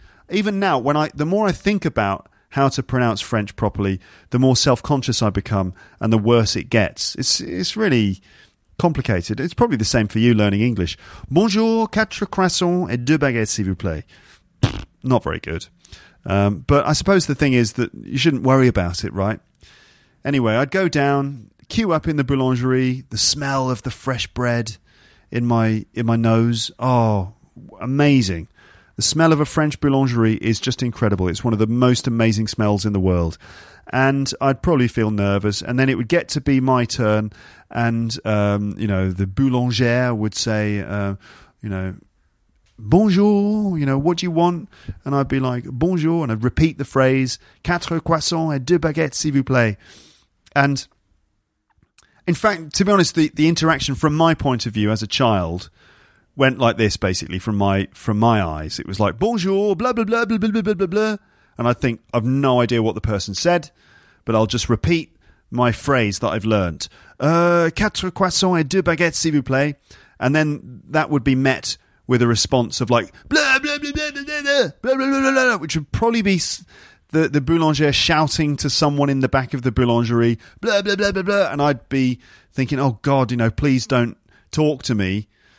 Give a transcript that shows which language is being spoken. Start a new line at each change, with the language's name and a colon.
English: Even now, the more I think about how to pronounce French properly, the more self-conscious I become and the worse it gets. It's really complicated. It's probably the same for you learning English.
French: Bonjour, 4 croissants et 2 baguettes, s'il vous plaît.
English: Not very good. But I suppose the thing is that you shouldn't worry about it, right? Anyway, I'd go down, queue up in the boulangerie, the smell of the fresh bread in my nose. Oh, amazing. The smell of a French boulangerie is just incredible. It's one of the most amazing smells in the world. And I'd probably feel nervous. And then it would get to be my turn. And, you know, the boulangère would say, you know, bonjour, you know, what do you want? And I'd be like, bonjour. And I'd repeat the phrase,
French: 4 croissants et 2 baguettes, s'il vous plaît.
English: And in fact, to be honest, the interaction from my point of view as a child went like this, basically, from my eyes. It was like, bonjour, blah, blah, blah, blah, blah, blah, blah, blah, blah. And I think, I've no idea what the person said, but I'll just repeat my phrase that I've learned.
French: 4 croissants et 2 baguettes, s'il vous plaît.
English: And then that would be met with a response of like, blah, blah, blah, blah, blah, blah, blah, blah, blah, blah, which would probably be the boulanger shouting to someone in the back of the boulangerie, blah, blah, blah, blah, blah. And I'd be thinking, oh, God, you know, please don't talk to me.